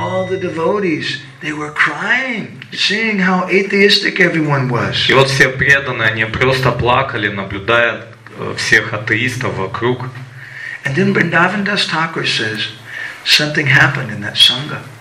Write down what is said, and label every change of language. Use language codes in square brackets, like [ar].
[en] Devotees, they were crying, seeing how atheistic everyone was. [ru] И вот все преданные, они просто плакали, наблюдая всех атеистов вокруг. [en] And then Vrindavan Das Thakur says, something happened in that sangha.